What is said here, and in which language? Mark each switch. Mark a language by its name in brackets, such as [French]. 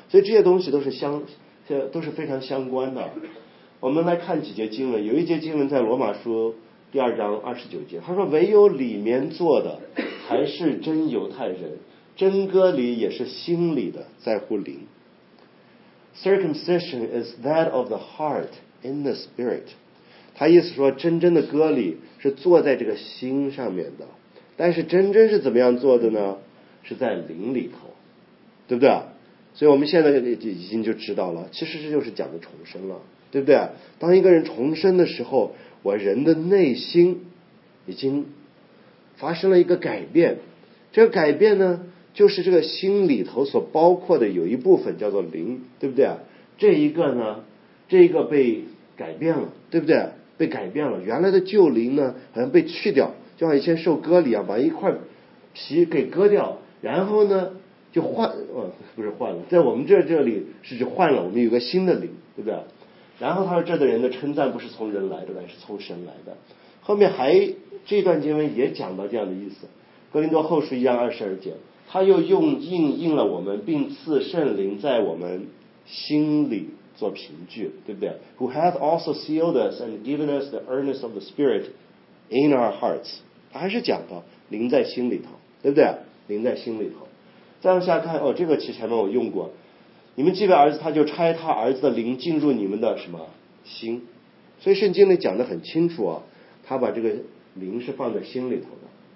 [Chinese] 所以这些东西都是非常相关的。我们来看几节经文，有一节经文在罗马书第二章29节，他说：“唯有里面做的才是真犹太人，真割礼也是心里的，在乎灵。 [English] Circumcision is that of the heart in the spirit。” [Chinese] 他意思说，真正的割礼是做在这个心上面的，但是真正是怎么样做的呢？是在灵里头，对不对？所以我们现在已经就知道了，其实这就是讲的重生了，对不对？当一个人重生的时候，我人的内心已经发生了一个改变，这个改变呢，就是这个心里头所包括的有一部分叫做灵，对不对？这一个呢，这一个被改变了，对不对？被改变了，原来的旧灵呢，好像被去掉，就像以前受割礼啊，把一块皮给割掉，然后呢，就换了，在我们这里是指换了，我们有个新的灵，对不对？然后他说，这的人的称赞不是从人来的，乃是从神来的。后面还这段经文也讲到这样的意思，哥林多后书1:22，他又用印了我们，并赐圣灵在我们心里做凭据，对不对？ [English] Who hath also sealed us and given us the earnest of the Spirit in our hearts？ [Chinese] 他还是讲到灵在心里头，对不对？灵在心里头。再往下看，哦，这个其实前面我用过。你们既为儿子，他就差他儿子的灵进入你们的什么心？所以圣经里讲得很清楚啊，他把这个灵是放在心里头的。